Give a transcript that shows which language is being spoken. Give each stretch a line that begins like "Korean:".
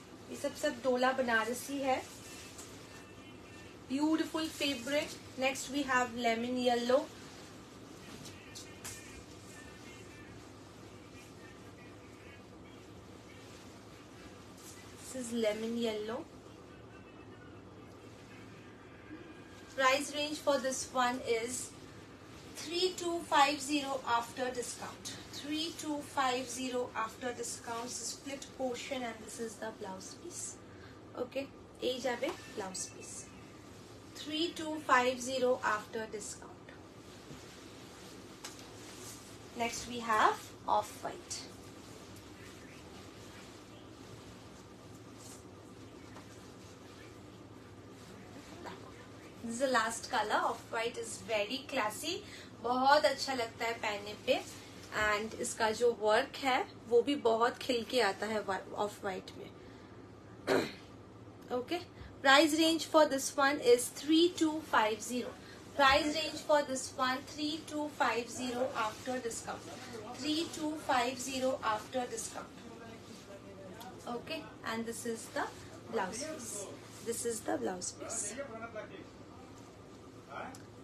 Hindi: ये सब सब Dola Banarasi है
English: Beautiful fabric. Next we have lemon yellow. This is lemon yellow. Price range for this one is 3250 after discount. 3250 after discount. This is split portion and this is the blouse piece. Okay,
Bangla: ei jabe
English: blouse piece. 3250 after discount. Next we have off white. This is the last color. Off white is very classy.
Hindi: बहुत अच्छा लगता है पहनने पे and इसका जो work है वो भी बहुत खिल के आता है ऑफ वाइट में
English: okay price range for this one is 3250 price range for this one 3250 after discount 3250 after discount okay and this is the blouse piece this is the blouse piece